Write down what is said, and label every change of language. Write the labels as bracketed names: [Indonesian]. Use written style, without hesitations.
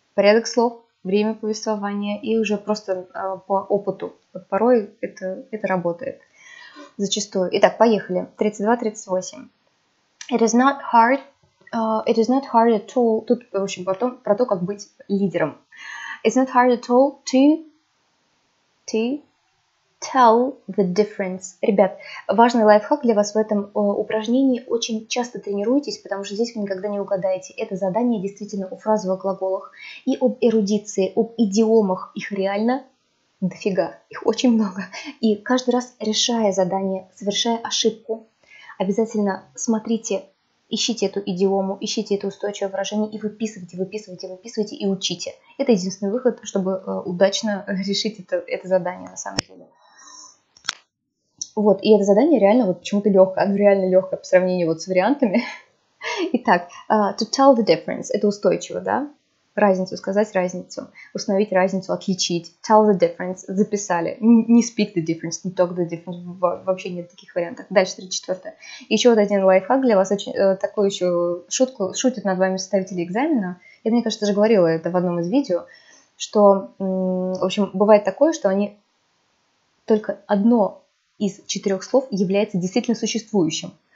[Russian] Порядок слов, время повествования и уже просто по опыту. Вот порой это работает зачастую. Итак, поехали. [English] 32-38. It is not hard at all. [Russian] Тут, в общем, потом про то, как быть лидером. [English] It's not hard at all to tell the difference. [Russian] Ребят, важный лайфхак для вас в этом упражнении. Очень часто тренируйтесь, потому что здесь вы никогда не угадаете. Это задание действительно о фразовых глаголах и об эрудиции, об идиомах. Их реально дофига. Их очень много. И каждый раз, решая задание, совершая ошибку, обязательно смотрите, ищите эту идиому, ищите это устойчивое выражение и выписывайте и учите. Это единственный выход, чтобы удачно решить это задание на самом деле. Вот, и это задание реально вот почему-то легкое. Оно реально легкое по сравнению вот с вариантами. Итак, [English] to tell the difference. [Russian] Это устойчиво, да? Разницу, сказать разницу. Установить разницу, отличить. [English] Tell the difference. [Russian] Записали. Не [English] speak the difference, [Russian] не [English] talk the difference. [Russian] Вообще нет таких вариантов. Дальше, 34-е. Еще вот один лайфхак для вас. Такую еще шутку. Шутят над вами составители экзамена. Я, мне кажется, уже говорила это в одном из видео. Что, в общем, бывает такое, что они только одно из четырех слов является действительно существующим.